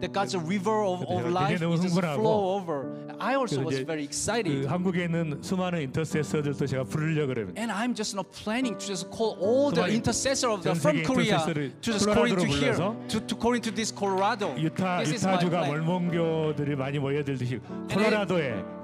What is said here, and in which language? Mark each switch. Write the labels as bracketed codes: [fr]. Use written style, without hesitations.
[en] That God's river of life is just flow over. I also was very excited. [ko] 한국에는 수많은 인터세서들도 제가 부르려고 그래요. [en] And I'm just not planning to just call all the intercessors of the from Korea to just call into here. To call into this Colorado. [ko] Utah주가 멀몽교들이 많이 모여들듯이 콜로라도에